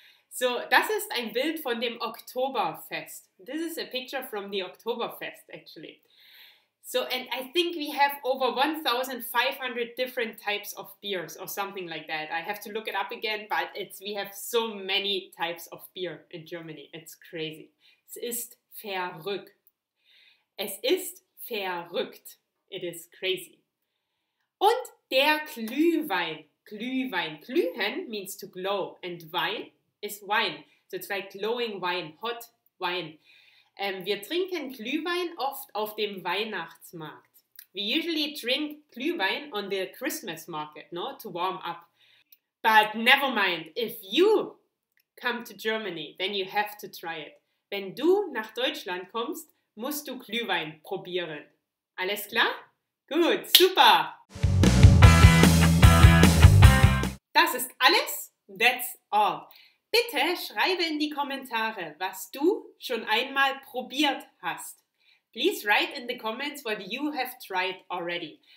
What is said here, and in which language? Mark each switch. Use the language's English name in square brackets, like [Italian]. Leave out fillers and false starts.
[German] So, das ist ein Bild von dem Oktoberfest. [English] This is a picture from the Oktoberfest, actually. So, and I think we have over 1,500 different types of beers or something like that. I have to look it up again, but we have so many types of beer in Germany. It's crazy. [German] Es ist verrückt. Es ist verrückt. [English] It is crazy. [German] Und der Glühwein. Glühwein. Glühen [English] means to glow. And Wein is wine. So it's like glowing wine, hot wine. [German] Wir trinken Glühwein oft auf dem Weihnachtsmarkt. [English] We usually drink Glühwein on the Christmas market, no? To warm up. But never mind, if you come to Germany, then you have to try it. [German] Wenn du nach Deutschland kommst, musst du Glühwein probieren. Alles klar? Gut, super! Das ist alles? [English] That's all. [German] Bitte schreibe in die Kommentare, was du schon einmal probiert hast. [English] Please write in the comments what you have tried already.